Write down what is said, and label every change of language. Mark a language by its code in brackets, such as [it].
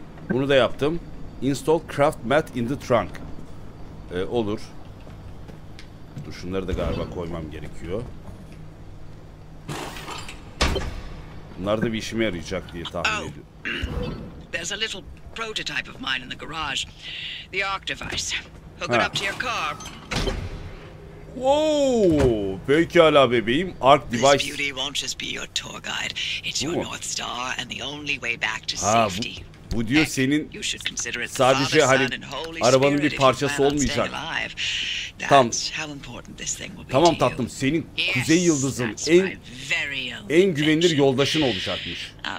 [tr] Bunu da yaptım. [en] Install craft mat in the trunk. [tr] Olur. Dur, şunları da galiba koymam gerekiyor. Bunlar da bir işime yarayacak diye tahmin ediyorum. [en] There's a little prototype of mine in the garage. The arc device. Hook it up to your car. [tr] Wow! Pekala bebeğim. Arc device. [en] This beauty won't just be your tour guide. It's your North Star and the only way back to safety. [tr] Bu diyor senin sadece hani arabanın bir parçası olmayacak. Tamam. Tamam tatlım, senin kuzey yıldızın en güvenilir yoldaşın olacakmış.